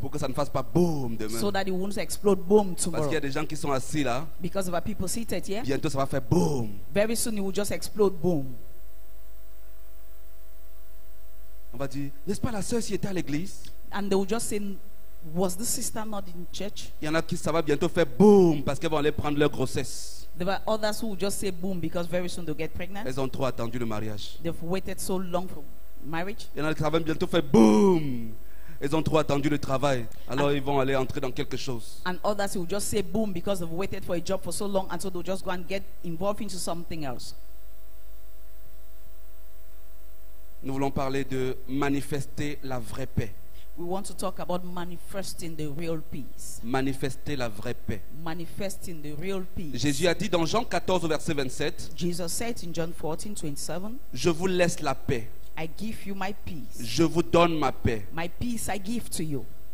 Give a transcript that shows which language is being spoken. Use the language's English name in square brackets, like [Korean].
[French] Pour que ça ne fasse pas boom demain. [English] So that it won't explode boom tomorrow. [French] Parce qu'il y a des gens qui sont assis là. [English] Because of our people seated here. [French] Bientôt ça va faire boom. [English] Very soon it will just explode boom. [French] On va dire, n'est-ce pas la sœur qui était à l'église? [English] And they will just say, was the sister not in church? [French] Il y en a qui ça va bientôt faire boom parce qu'elles vont aller prendre leur grossesse. [English] There were others who just say boom because very soon they'll get pregnant. [French] Elles ont trop attendu le mariage. [English] They've waited so long for marriage. [French] Il y en a qui vont bientôt faire boom. Elles ont trop attendu le travail. Alors ils vont aller entrer dans quelque chose. [English] And others who just say boom because they've waited for a job for so long and so they'll just go and get involved into something else. [French] Nous voulons parler de manifester la vraie paix. [English] We want to talk about manifesting the real peace. [French] Manifester la vraie paix. [English] Manifesting the real peace. [French] Jésus a dit dans Jean 14 verset 27. [English] Jesus said in John 14, 27. [French] Je vous laisse la paix. [English] I give you my peace. [French] Je vous donne ma paix. [English] My peace I give to you.